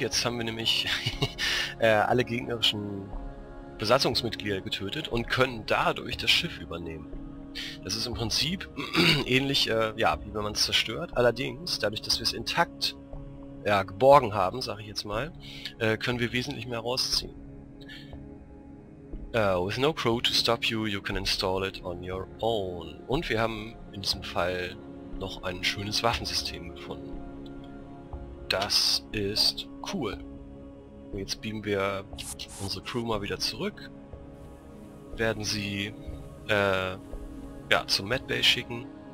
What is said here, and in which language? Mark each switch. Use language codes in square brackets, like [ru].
[de] Jetzt haben wir nämlich alle gegnerischen Besatzungsmitglieder getötet und können dadurch das Schiff übernehmen. Das ist im Prinzip ähnlich, ja, wie wenn man es zerstört. Allerdings, dadurch, dass wir es intakt, ja, geborgen haben, sage ich jetzt mal, können wir wesentlich mehr rausziehen. [en] With no crew to stop you, you can install it on your own. [de] Und wir haben in diesem Fall noch ein schönes Waffensystem gefunden. Das ist cool. Und jetzt beamen wir unsere Crew mal wieder zurück. Werden sie, ja, zum Medbay schicken.